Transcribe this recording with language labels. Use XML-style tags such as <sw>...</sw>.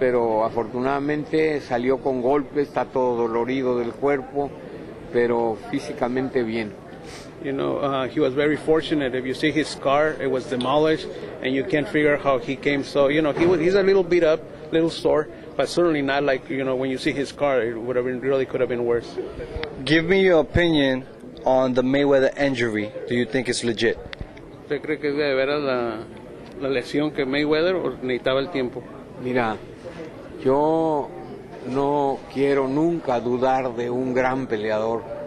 <es>Pero afortunadamente salió con golpes, está todo dolorido del cuerpo, pero físicamente bien.</es> <en>You know, he was very fortunate. If you see his car, it was demolished, and you can't figure how he came. So, you know, he's a little beat up, a little sore, but certainly not like, you know, when you see his car, it would have been, really could have been worse. Give me your opinion on the Mayweather injury. Do you think it's legit?</en> <es>¿Usted cree que es de veras la lesión que Mayweather, o necesitaba el tiempo? Mira, yo no quiero nunca dudar de un gran peleador.</es>